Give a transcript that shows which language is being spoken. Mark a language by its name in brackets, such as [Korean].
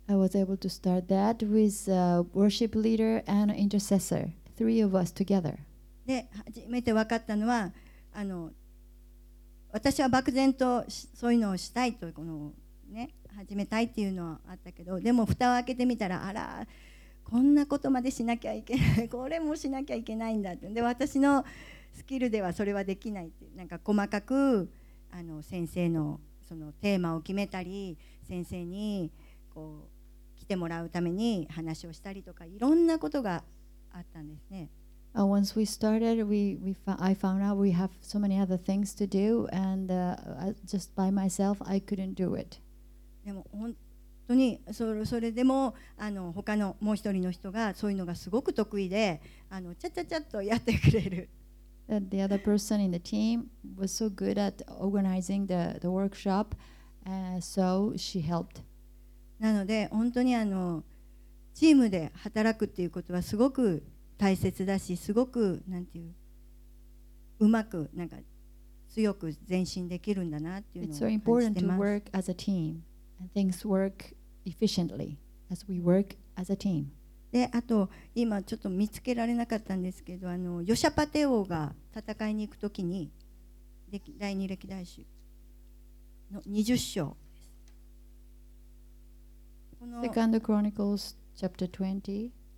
[English] I was able to start that with a worship leader and an intercessor, three of us together. [Japanese] で初めて分かったのは私は漠然とそういうのをしたいとこの、ね、始めたいっていうのはあったけど、でも蓋を開けてみたら、あら、こんなことまでしなきゃいけない、これもしなきゃいけないんだって。で、私のスキルではそれはできないって、なんか細かく先生のそのテーマを決めたり、先生にこう来てもらうために話をしたりとか、いろんなことがあったんですね。 [English] Once we started, I found out we have so many other things to do, and just by myself, I couldn't do it. [Japanese] でも本当にそれでも他のもう一人の人がそういうのがすごく得意でちゃちゃちゃっとやってくれる。 [English] The other person in the team was so good at organizing the workshop, so she helped. [Japanese] なので本当にチームで働くっていうことはすごく大切だし、すごくなんていううまくなんか強く前進できるんだなっていうのを感じてます。 [English] It's so important to work as a team, and things work efficiently as we work as a team. [Japanese] で、あと今ちょっと見つけられなかったんですけど、ヨシャパテ王が戦いに行くときに第二歴代史の20章です。 [English] Second Chronicles chapter 20.